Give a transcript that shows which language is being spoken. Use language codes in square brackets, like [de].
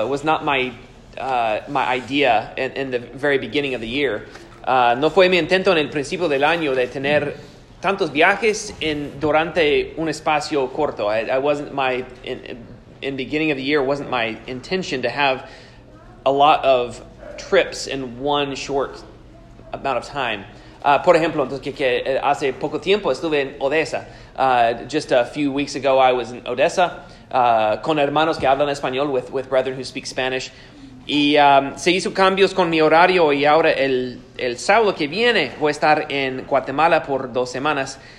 [en] It was not my idea in the very beginning of the year. [es] No fue mi intento en el principio del año de tener tantos viajes en durante un espacio corto. [en] I wasn't my in beginning of the year wasn't my intention to have a lot of trips in one short amount of time. [es] Por ejemplo, entonces que hace poco tiempo estuve en Odessa. [en] Just a few weeks ago, I was in Odessa [es] con hermanos que hablan español, [en] with brethren who speak Spanish. [es] Y se hizo cambios con mi horario, y ahora el sábado que viene voy a estar en Guatemala por 2 semanas.